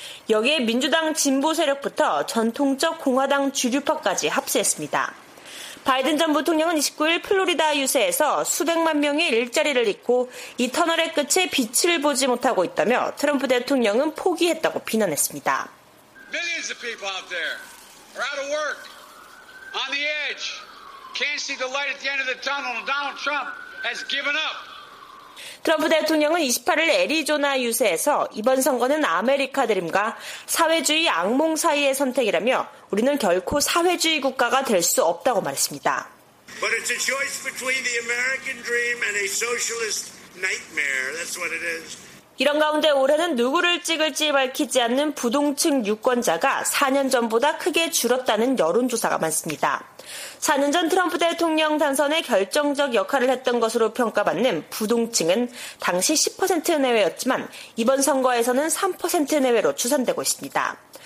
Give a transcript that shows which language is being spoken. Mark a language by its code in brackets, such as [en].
[ko] 여기에 민주당 진보 세력부터 전통적 공화당 주류파까지 합세했습니다. 바이든 전 부통령은 29일 플로리다 유세에서 수백만 명의 일자리를 잃고 이 터널의 끝에 빛을 보지 못하고 있다며 트럼프 대통령은 포기했다고 비난했습니다. [en] Millions of people out there are out of work, on the edge, can't see the light at the end of the tunnel. Donald Trump has given up. [ko] 트럼프 대통령은 28일 애리조나 유세에서 이번 선거는 아메리카 드림과 사회주의 악몽 사이의 선택이라며 우리는 결코 사회주의 국가가 될 수 없다고 말했습니다. [en] But it's a choice between the American dream and a socialist nightmare. That's what it is. [ko] 이런 가운데 올해는 누구를 찍을지 밝히지 않는 부동층 유권자가 4년 전보다 크게 줄었다는 여론조사가 많습니다. 4년 전 트럼프 대통령 당선에 결정적 역할을 했던 것으로 평가받는 부동층은 당시 10% 내외였지만 이번 선거에서는 3% 내외로 추산되고 있습니다.